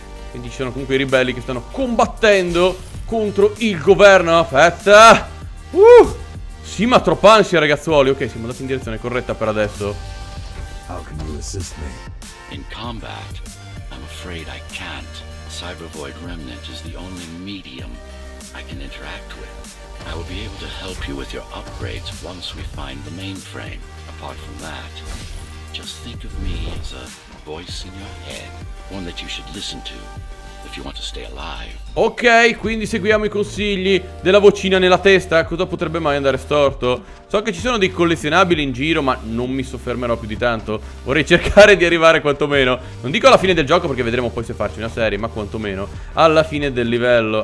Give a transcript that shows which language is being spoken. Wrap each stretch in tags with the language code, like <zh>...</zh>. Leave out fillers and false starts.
<it>Quindi ci sono comunque i ribelli che stanno combattendo contro il governo. Aspetta. Sì, ma troppa ansia, ragazzuoli. Ok, siamo andati in direzione corretta per adesso.</it> <en>How can you assist me? In combat, I'm afraid I can't. Cyber Void Remnant is the only medium I can interact with. I will be able to help you with your upgrades once we find the mainframe. Apart from that, just think of me as a voice in your head, one that you should listen to if you want to stay alive.</en> <it>Ok, quindi seguiamo i consigli della vocina nella testa. Cosa potrebbe mai andare storto? So che ci sono dei collezionabili in giro, ma non mi soffermerò più di tanto. Vorrei cercare di arrivare quantomeno, non dico alla fine del gioco perché vedremo poi se farci una serie, ma quantomeno alla fine del livello.</it>